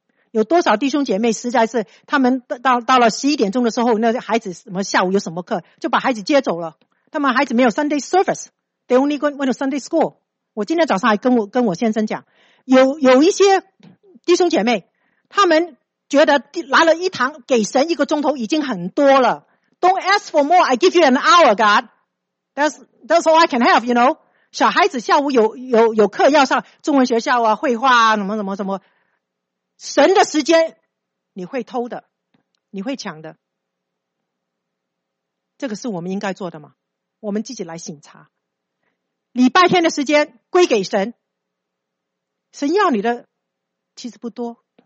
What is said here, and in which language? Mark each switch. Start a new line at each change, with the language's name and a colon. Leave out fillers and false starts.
Chinese: 有多少弟兄姐妹实在是，他们到了11点钟的时候，那孩子什么下午有什么课，就把孩子接走了。他们孩子没有
English: Sunday service， they only went to Sunday school。
Chinese: 我今天早上还跟我先生讲，有一些弟兄姐妹，他们觉得来了一堂给神一个钟头已经很多了。
English: Don't ask for more, I give you an hour, God. That's all I can have, you know.
Chinese: 小孩子下午有课要上中文学校啊，绘画啊，什么什么什么。神的时间你会偷的，你会抢的。这个是我们应该做的吗？我们自己来省察。礼拜天的时间归给神，神要你的其实不多。